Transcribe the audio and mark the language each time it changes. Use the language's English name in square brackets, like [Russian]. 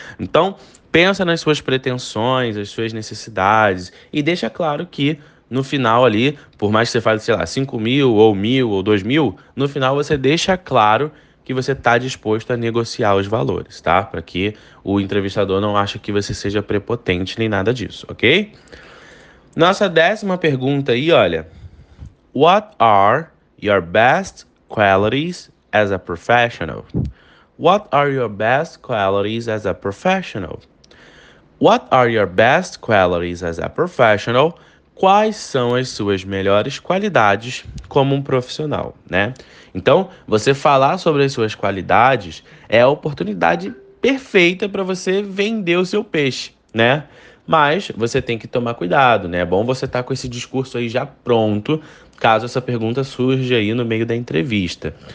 [Portuguese] Então, pensa nas suas pretensões, as suas necessidades e deixa claro que no final ali, por mais que você fale, sei lá, 5 mil ou 1.000 ou 2.000, no final você deixa claro que você está disposto a negociar os valores, tá? Para que o entrevistador não ache que você seja prepotente nem nada disso, ok? Nossa décima pergunta aí, olha. [English] What are your best qualities as a professional? What are your best qualities as a professional? What are your best qualities as a professional? [Portuguese] quais são as suas melhores qualidades como um profissional, né? Então, você falar sobre as suas qualidades é a oportunidade perfeita para você vender o seu peixe, né? Mas você tem que tomar cuidado, né? É bom você estar com esse discurso aí já pronto, caso essa pergunta surja aí no meio da entrevista.